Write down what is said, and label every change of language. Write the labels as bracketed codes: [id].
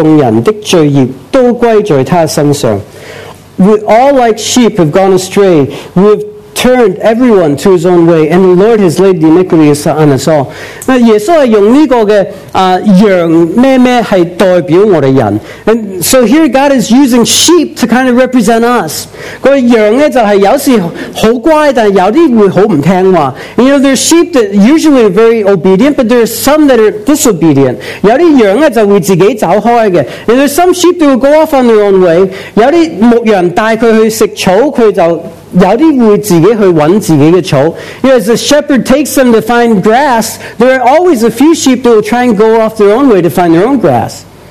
[zh] 圣经说我们都如羊走迷，各人偏行己路，耶和华使我们众人的罪孽都归在他身上。 [en] We all like sheep have gone astray. We've turned everyone to his own way, and the Lord has laid the iniquities on us all. [zh] 耶稣是用这个羊什么什么是代表我们人。 [en] And so here God is using sheep to kind of represent us. [zh] 羊就是有时很乖，但有些会很不听话。 [en] You know, there's sheep that usually are very obedient, but there's some that are disobedient. [zh] 有些羊就会自己走开的。 [en] And there's some sheep that will go off on their own way. [zh] 有些牧羊带他去吃草，他就有些会自己去找自己的草。 [en] You know, as the shepherd takes them to find grass, there are always a few sheep that will try and go off their own way to find their own grass.